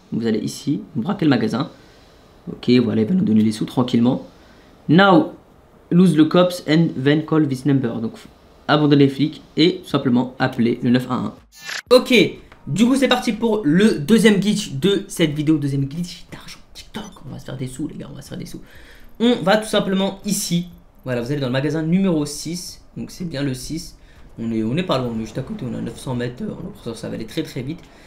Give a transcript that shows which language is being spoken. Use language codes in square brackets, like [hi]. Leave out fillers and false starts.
[fr] Vous allez ici, vous braquez le magasin. Ok, voilà, il va nous donner les sous tranquillement. [en] Now, lose the cops and then call this number. [fr] Donc abandonner les flics et simplement appeler le 911. Ok, du coup c'est parti pour le deuxième glitch de cette vidéo. Deuxième glitch d'argent TikTok. On va se faire des sous, les gars, on va se faire des sous. On va tout simplement ici. Voilà, vous allez dans le magasin numéro 6. Donc c'est bien le 6. On est pas loin, on est juste à côté, on est à 900 mètres, ça va aller très très vite.